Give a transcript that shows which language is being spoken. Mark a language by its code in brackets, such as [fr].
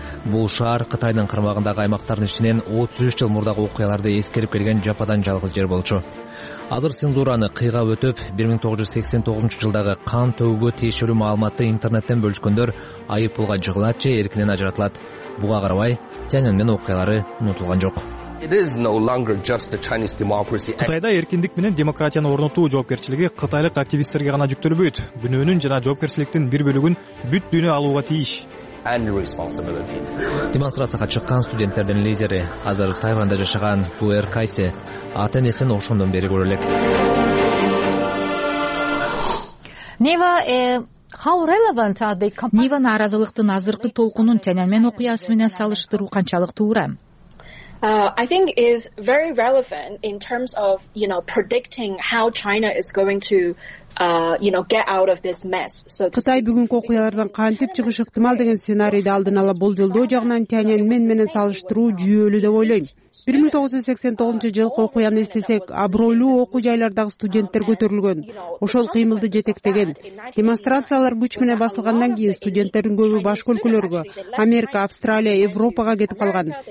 [ky] Бул шаар Кытайдын кармагындагы аймактардын ичинен 33 жыл мурдагы окуяларды эскерип келген жападан жалгыз жер болчу. Азыр цензураны кыйгап өтүп, 1989 жылдагы кан төгүүгө тиешелүү маалыматты интернеттен бөлүшкөндөр айып пулга жыгылат же эркинен ажыратылат. Буга карабай, Тяньаньмен окуялары унутулган жок. [en] It is no longer just the Chinese democracy. [ky] Кытайда эркиндик менен демократияны орнотуу жоопкерчилиги кытайлык активисттерге гана жүктөлбөйт. Дүйнөнүн жана жоопкерчиликтин бир бөлүгүн бүт дүйнө алууга тийиш. [en] And responsibility. [ky] Демонстрацияга чыккан студенттердин лидери азыр Тайванда жашаган Куэр Кайсе ата-энесин ошондон бери көрө элек. Нива нааразылыктын азыркы толкунун Тяньаньмен окуясы менен салыштыруу канчалык туура? [en] I think is very relevant in terms of, you know, predicting how China is going to you know, get out of this mess. So [ky] Кытай бүгүнкү окуялардан кантип чыгыш ыктымал деген сценарийди алдын ала болжолдоо жагынан Тяньаньмен менен салыштыруу жүйөлүү деп ойлойм. 1989 жылкы окуяны эстесек, абройлуу окуу жайлардагы студенттер көтөрүлгөн, ошол кыймылды жетектеген. Демонстрациялар күч менен басылгандан кийин студенттердин көбү башка өлкөлөргө, Америка, Австралия, Европага кетип калган.